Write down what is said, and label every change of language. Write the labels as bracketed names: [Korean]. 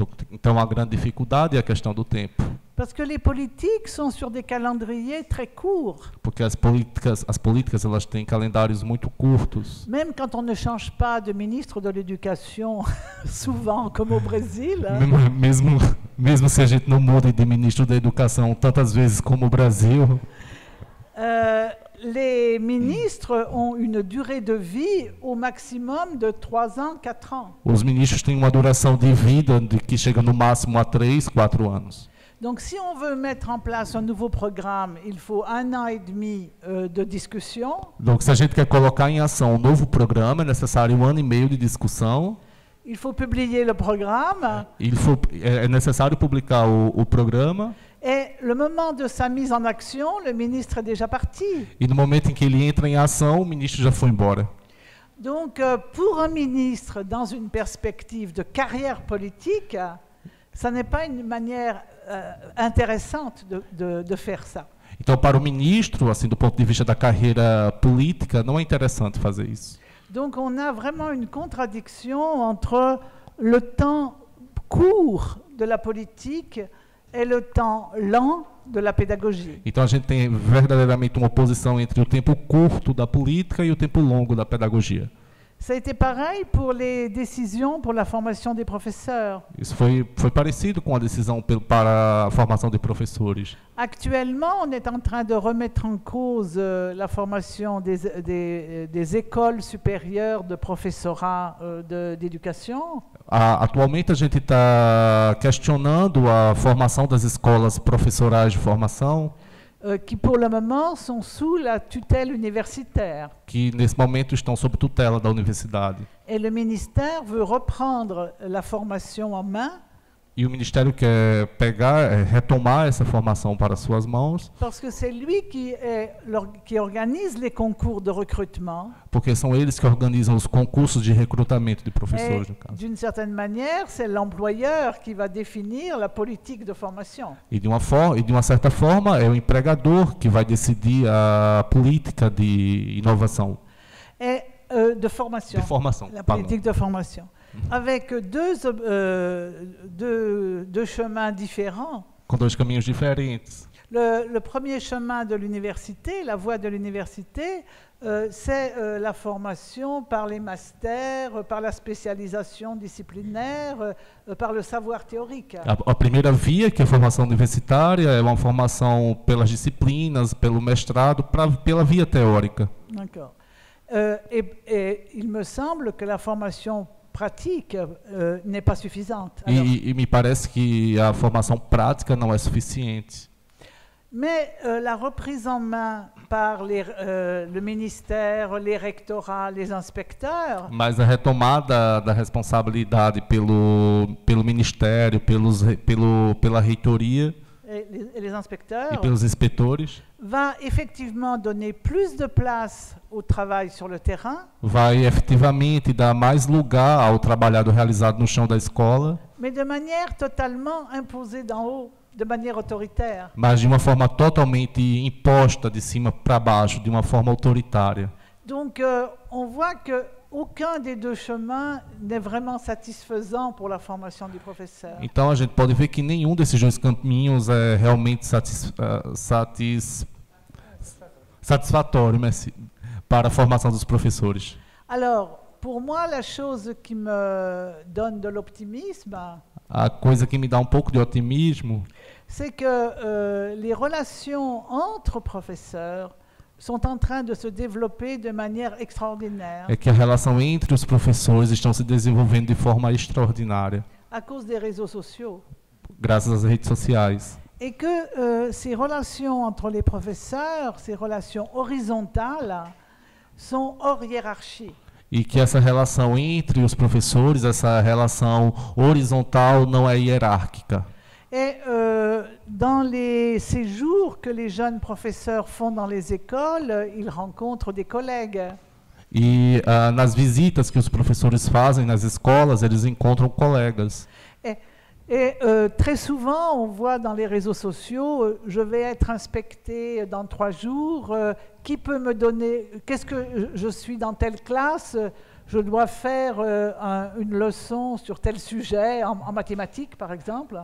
[Portuguese] Então, a grande dificuldade é a questão do tempo. [French] Parce que les politiques sont sur des calendriers très courts. [Portuguese] Porque as políticas elas têm calendários muito curtos. [French] Même quand on ne change pas de ministre de l'éducation souvent comme au Brésil. [Portuguese] Mesmo se a gente não muda de ministro da educação tantas vezes como o Brasil. [French] les ministres ont une durée de vie au maximum de 3 ans, 4 ans. [Portuguese] Os ministros têm uma duração de vida de que chega no máximo a 3, 4 anos. [French] Donc si on veut mettre en place un nouveau programme, il faut un an et demi de discussion. [Portuguese] Donc se a gente quer colocar em ação um novo programa, é necessário um ano e meio de discussão. [French] Il faut publier le programme. Il faut [Portuguese] é necessário publicar o programa. [French] Et le moment de sa mise en action, le ministre est déjà parti. [Portuguese] Et no momento em que ele entra em ação, o ministro já foi embora. [French] Donc pour un ministre dans une perspective de carrière politique, ça n'est pas une manière intéressante de faire ça. [Portuguese] Então para o ministro, assim do ponto de vista da carreira política, não é interessante fazer isso. [French] Donc on a vraiment une contradiction entre le temps court de la politique et le temps lent de la pédagogie. [Portuguese] Então a gente tem verdadeiramente uma oposição entre o tempo curto da política e o tempo longo da pedagogia. [French] Ça a été pareil pour les décisions pour la formation des professeurs. [Portuguese] Isso foi parecido com a decisão para a formação de professores. [French] Actuellement, on est en train de remettre en cause la formation des écoles supérieures de professorat d'éducation. [Portuguese] Atualmente a gente está questionando a formação das escolas professorais de formação. [French] Qui pour le moment sont sous la tutelle universitaire. [Portuguese] Que nesse momento estão sob tutela da universidade. [French] Et le ministère veut reprendre la formation en main. [Portuguese] E o ministério quer pegar, retomar essa formação para suas mãos. [French] Parce que c'est lui qui organise les concours de recrutement. [Portuguese] Porque são eles que organizam os concursos de recrutamento de professores, no caso. [French] D'une certaine manière, c'est l'employeur qui va définir la politique de formation. [Portuguese] E de uma forma, é o empregador que vai decidir a política de inovação. É de formação. De formação. [French] La politique de formation. Avec deux chemins différents. [Portuguese] Com dois caminhos diferentes. [French] Le premier chemin de l'université, la voie de l'université, c'est la formation par les masters, par la spécialisation disciplinaire, par le savoir théorique. [Portuguese] A primeira via, que é a formação universitária, é uma formação pelas disciplinas, pelo mestrado, pela via teórica. [French] D'accord. Et il me semble que la formation pratique n'est pas suffisante. [Portuguese] E me parece que a formação prática não é suficiente. [French] Mais la reprise en main par le ministère, les rectorats, les inspecteurs. [Portuguese] Mas a retomada da responsabilidade pelo ministério, pela reitoria. [French] Les inspecteurs. [Portuguese] E pelos inspetores. [French] Va effectivement donner plus de place au travail sur le terrain. [Portuguese] Vai efetivamente dar mais lugar ao trabalhado realizado no chão da escola. [French] Mais de manière totalement imposée d'en haut, de manière autoritaire. [Portuguese] Mas de uma forma totalmente imposta de cima para baixo, de uma forma autoritária. [French] Donc on voit que aucun des deux chemins n'est vraiment satisfaisant pour la formation du professeur. [Portuguese] Então a gente pode ver que nenhum desses dois caminhos é realmente satisfatório, [French] merci, [Portuguese] para a formação dos professores. [French] Alors, pour moi, la chose qui me donne de l'optimisme. [Portuguese] A coisa que me dá um pouco de otimismo. [French] C'est que les relations entre professeurs sont en train de se développer de manière extraordinaire. [Portuguese] É que a relação entre os professores estão se desenvolvendo de forma extraordinária. [French] À cause des réseaux sociaux. [Portuguese] Graças às redes sociais. [French] Et que ces relations entre les professeurs, ces relations horizontales, sont hors hiérarchie. [Portuguese] E que essa relação entre os professores, essa relação horizontal, não é hierárquica. [French] Et dans les séjours que les jeunes professeurs font dans les écoles, ils rencontrent des collègues. [Portuguese] Et nas visitas que os professores fazem nas escolas, eles encontram colegas. [French] Et très souvent, on voit dans les réseaux sociaux, je vais être inspecté dans 3 jours, qui peut me donner, qu'est-ce que je suis dans telle classe, je dois faire une leçon sur tel sujet, en mathématiques, par exemple.